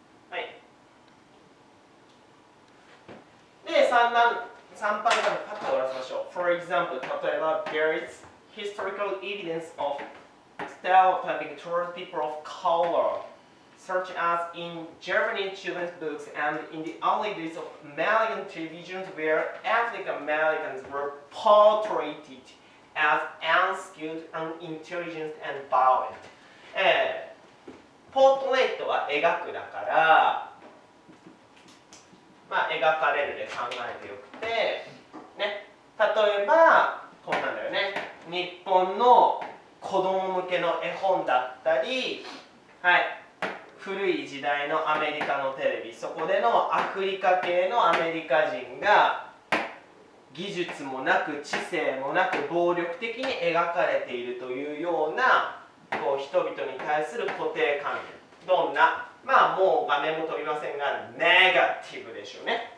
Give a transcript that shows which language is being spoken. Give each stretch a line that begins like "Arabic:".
Japanese: はい、で 3パターンパッと終わらせましょう。
English: For example、 例えば There is historical evidence of stereotyping towards people of color such as in Japanese children's books and in the early days of American television where ethnic Americans were portrayed as unskilled, unintelligent, and violent。
Japanese: ポートレートは描くだから、まあ描かれるで考えてよくてね。例えばこんなんだよね。日本の子供向けの絵本だったり、はい、古い時代のアメリカのテレビ、そこでのアフリカ系のアメリカ人が技術もなく知性もなく暴力的に描かれているというようなこう人々に対する固定観念、どんな、まあもう画面も飛びませんがネガティブでしょうね。